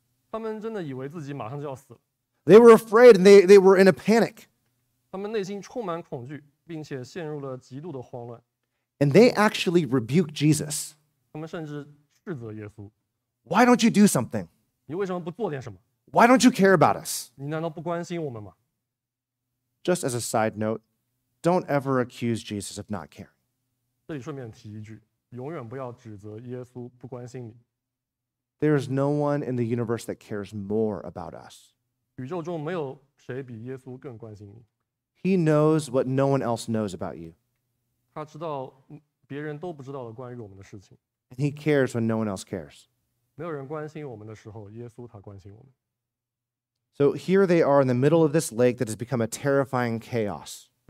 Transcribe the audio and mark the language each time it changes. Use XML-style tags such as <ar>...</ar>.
<zh>他们真的以为自己马上就要死了。</zh> <en>They were afraid and they were in a panic.</en> <zh>他们内心充满恐惧，并且陷入了极度的慌乱。</zh> <en>And they actually rebuked Jesus.</en> <zh>他们甚至斥责耶稣。</zh> <en>Why don't you do something?</en> <zh>你为什么不做点什么？</zh> <en>Why don't you care about us?</en> <zh>你难道不关心我们吗？</zh> <en>Just as a side note, don't ever accuse Jesus of not caring.</en> <zh>这里顺便提一句，永远不要指责耶稣不关心你。</zh> <en>There is no one in the universe that cares more about us.</en> <zh>宇宙中没有谁比耶稣更关心你。</zh> <en>He knows what no one else knows about you.</en> <zh>他知道别人都不知道的关于我们的事情。</zh> <en>And he cares when no one else cares.</en> <zh>没有人关心我们的时候，耶稣他关心我们。</zh> <en>So here they are in the middle of this lake that has become a terrifying chaos.</en>